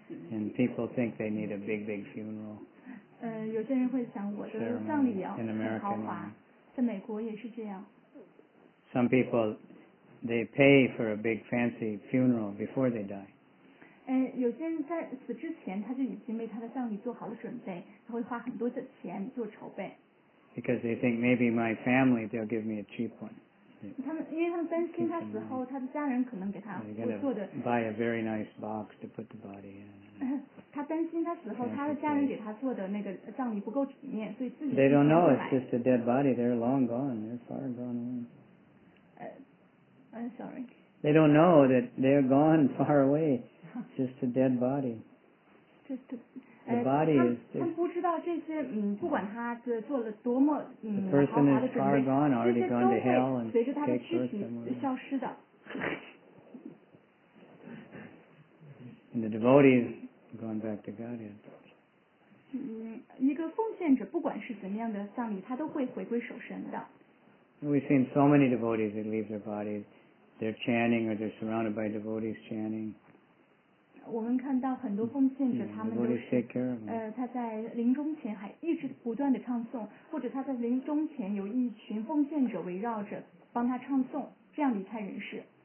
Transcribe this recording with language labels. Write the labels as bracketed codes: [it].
[en] And people think they need a big, big funeral. [zh] 有些人会想我的葬礼要很豪华，在美国也是这样。 [en] Some people, they pay for a big fancy funeral before they die. [zh] 有些人在死之前他就已经为他的葬礼做好了准备，他会花很多的钱做筹备。 [en] Because they think maybe my family they'll give me a cheap one. [zh] 因为他们担心他死后他的家人可能给他做的。 [en] Buy a very nice box to put the body in. [zh] 他担心他死后他的家人给他做的那个葬礼不够体面，所以自己。 [en] They don't know it's just a dead body. They're long gone. They're far gone away. I'm sorry. They don't know that they're gone far away. It's just a dead body. The body is. [zh] 他们不知道这些不管他做了多么 [en] The person is far gone, already gone to hell, and take birth somewhere. [zh] 消失的。 [en] And the devotees. Going back to Godhead. [zh] 一个奉献者不管是怎么样的葬礼，他都会回归守神的。 [en] We've seen so many devotees that leave their bodies. They're chanting, or they're surrounded by devotees chanting. [zh] 我们看到很多奉献者，他们都是他在临终前还一直不断的唱诵，或者他在临终前有一群奉献者围绕着帮他唱诵，这样离开人世。